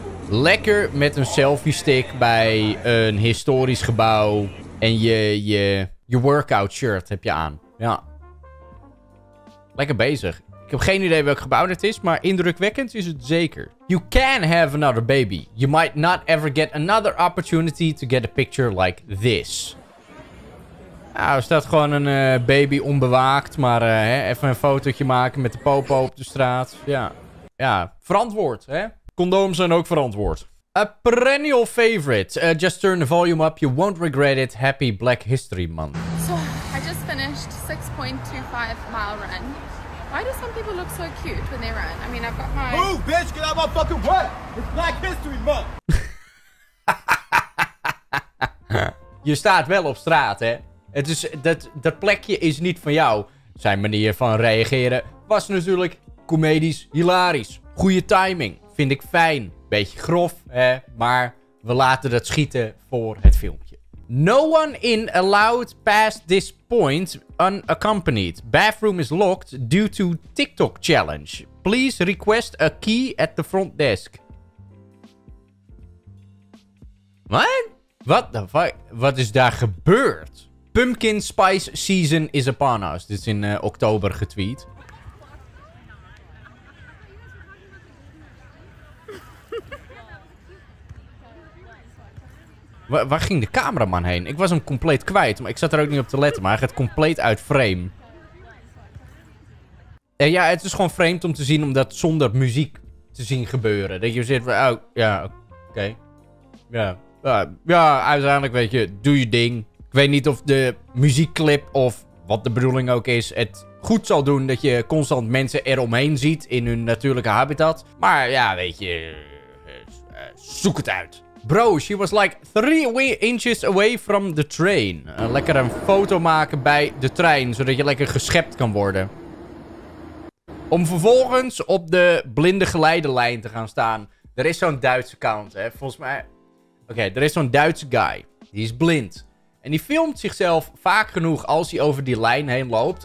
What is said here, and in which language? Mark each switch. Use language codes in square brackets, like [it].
[nl] Lekker met een selfie stick bij een historisch gebouw en je workout shirt heb je aan. Ja. Lekker bezig. Ik heb geen idee welk gebouw dat is, maar indrukwekkend is het zeker. [en] You can have another baby. You might not ever get another opportunity to get a picture like this. Nou, er staat gewoon een baby onbewaakt, maar even een fotootje maken met de popo op de straat. Ja, ja, verantwoord, hè? Condooms zijn ook verantwoord. A perennial favorite. Just turn the volume up, you won't regret it. Happy Black History Month. So, I just finished 6.25 mile run. Why do some people look so cute when they run? I mean, I've got my... Move, bitch! Get out of my fucking way! It's Black History Month! [nl] Je staat wel op straat, hè? Het is, dat plekje is niet van jou. Zijn manier van reageren was natuurlijk comedisch, hilarisch. Goede timing, vind ik fijn. Beetje grof, hè? Maar we laten dat schieten voor het filmpje. [en] No one in allowed past this point unaccompanied. Bathroom is locked due to TikTok challenge. Please request a key at the front desk. What? What the fuck? [nl] Wat is daar gebeurd? [en] Pumpkin spice season is upon us. [nl] Dit is in oktober getweet. Waar ging de cameraman heen? Ik was hem compleet kwijt, maar ik zat er ook niet op te letten. Maar hij gaat compleet uit frame. En ja, het is gewoon vreemd om te zien, om dat zonder muziek te zien gebeuren. Dat je zit van, oh, ja, oké. Okay. Ja, ja, uiteindelijk weet je, doe je ding. Ik weet niet of de muziekclip of wat de bedoeling ook is, het goed zal doen dat je constant mensen eromheen ziet in hun natuurlijke habitat. Maar ja, weet je, zoek het uit. [en] Bro, she was like 3 inches away from the train. [nl] Lekker een foto maken bij de trein, zodat je lekker geschept kan worden. Om vervolgens op de blinde geleidelijn te gaan staan. Er is zo'n Duitse account, hè. Volgens mij... Oké, er is zo'n Duitse guy. Die is blind. En die filmt zichzelf vaak genoeg als hij over die lijn heen loopt.